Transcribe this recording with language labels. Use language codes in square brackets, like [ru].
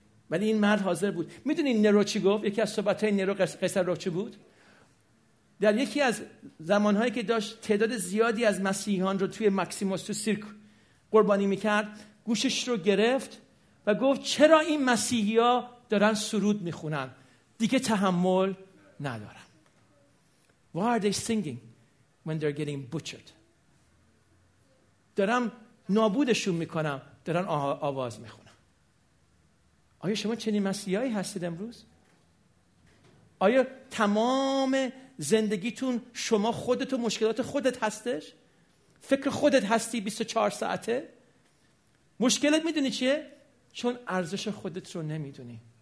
[fa] ولی این مرد حاضر بود. میدونی نرو چی گفت؟ یکی از صحبتهای نرو قیصر رو چی بود؟ در یکی از زمانهایی که داشت تعداد زیادی از مسیحیان رو توی ماکسیموس تو سیرک قربانی میکرد، گوشش رو گرفت و گفت چرا این مسیحی‌ها دارن سرود میخونن؟ دیگه تحمل ندارم. [en] Why are they singing when they're getting butchered؟ [fa] دارم نابودشون میکنم، دارن آواز میخونم. آیا شما چنین مسیحی‌هایی هستید امروز؟ آیا تمام زندگیتون شما خودت و مشکلات خودت هستش؟ فکر خودت هستی 24 ساعته؟ مشکلت میدونی چیه؟ چون ارزش خودت رو نمیدونی.